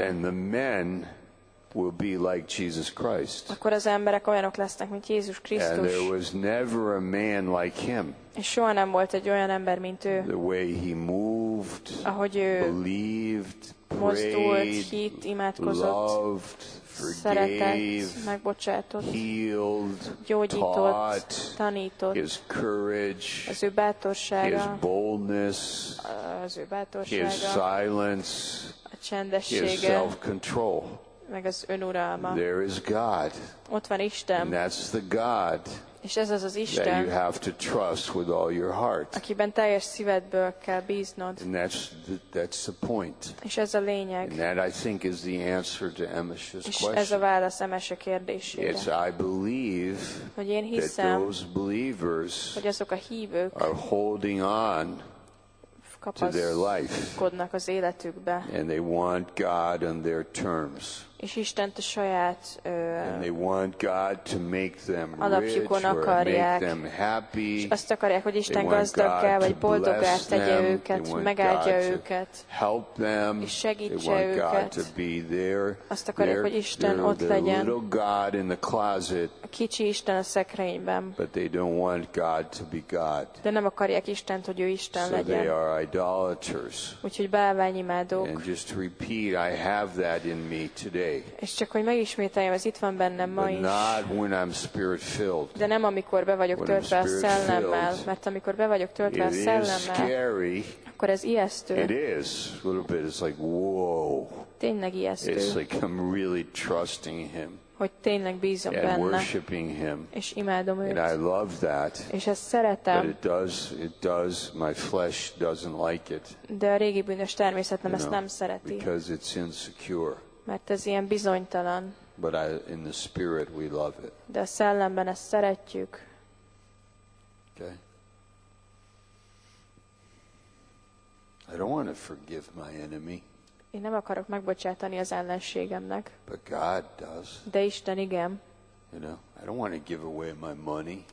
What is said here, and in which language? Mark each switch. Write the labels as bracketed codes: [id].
[en] then the men will be like Jesus Christ. [hu] Akkor az emberek olyanok lesznek, mint Jézus Krisztus. [en] And there was never a man like him. [hu] És soha nem volt egy olyan ember, mint ő. [en] The way he moved, [hu] ahogy ő [en] believed, [hu] mozdult, hitt, imádkozott, [en] loved, [hu] szeretett, [en] forgave, [hu] megbocsátott, [en] healed, [hu] gyógyított, [en] taught, [hu] tanított, [en] his courage, [hu] az ő bátorsága, [en] his boldness, [hu] az ő bátorsága, [en] his silence, [hu] a csendessége, [en] his self-control. [hu] Meg az önuralma. [en] There is God. [hu] Ott van Isten. [en] And that's the God. [hu] És ez az Isten. [en] That you have to trust with all your heart. [hu] Akiben teljes szívedből kell bíznod. [en] And that's the point. [hu] És ez a lényeg. [en] And that I think is the answer to Emes's question. [hu] És ez a válasz Emese kérdésére. [en] It's I believe. [hu] Hogy én hiszem. [en] That those believers. [hu] Hogy azok a hívők. [en] Are holding on. To their life. [hu] Kapaszkodnak az életükbe. [en] And they want God on their terms. [hu] És Isten a saját [en] and they want God to make them rich or make them happy. [hu] És azt akarják, hogy Isten gazdaggá vagy boldoggá tegye őket, megáldja őket. [en] Help them. [hu] És segítse őket. [en] They want God to be there. [hu] Azt akarják, hogy Isten ott legyen. [en] Little God in the closet. [hu] A kicsi Isten a szekrényben. [en] But they don't want God to be God. [hu] De nem akarják Istent, hogy ő Isten legyen. [en] So they are idolaters. [hu] Úgyhogy bálványimádók. [en] And just repeat, I have that in me today. [hu] És csak hogy megismételjem, ez itt van bennem ma is. [en] Not when I'm spirit filled. [hu] De nem amikor be vagyok töltve a szellemmel, mert amikor be vagyok töltve a szellemmel, [en] scary. [hu] Akkor ez ijesztő. [en] It is a little bit. It's like whoa. [hu] Tényleg ijesztő. [en] It's like I'm really trusting him. [hu] Hogy tényleg bízom benne. [en] And worshiping him. [hu] És imádom őt. [en] And I love that. [hu] És ezt szeretem. [en] But it does. My flesh doesn't like it. [hu] De a régi bűnös természetem ezt nem szereti. [en] Because it's insecure. [hu] Mert ez ilyen bizonytalan. [en] But in the spirit we love it. [hu] De a szellemben ezt szeretjük. [en] Okay. I don't want to forgive my enemy. [hu] Én nem akarok megbocsátani az ellenségemnek. [en] But God does. [hu] De Isten igen. [en] You know, I don't want to give away my money.